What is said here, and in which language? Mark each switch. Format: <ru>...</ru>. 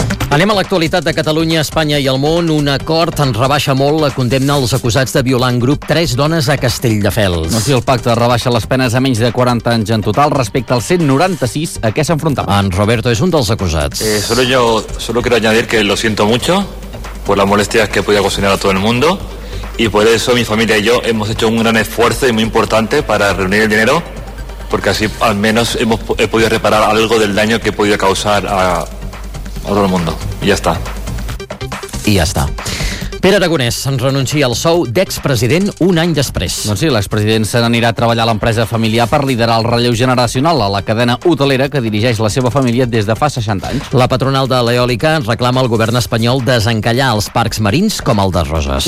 <ca>Anem a l'actualitat de Catalunya, Espanya i el món. Un acord en rebaixa molt la condemna als acusats de violar en grup tres dones a Castelldefels. No, si el pacte rebaixa les penes a menys de 40 anys en total respecte als 196 a què s'enfrontava. En Roberto és un dels acusats.</ca> <es>Solo quiero añadir que lo siento mucho por las molestias que podía ocasionar a todo el mundo, y por eso mi familia y yo hemos hecho un gran esfuerzo y muy importante para reunir el dinero, porque así al menos he podido reparar algo del daño que he podido causar a todo el mundo. Y ya está.</es> <ca>Pere Aragonès ens renuncia al sou d'expresident un any després. Doncs sí, l'expresident se n'anirà a treballar a l'empresa familiar per liderar el relleu generacional a la cadena hotelera que dirigeix la seva família des de fa 60 anys. La patronal de l'Eòlica reclama al govern espanyol desencallar els parcs marins com el de Roses.</ca>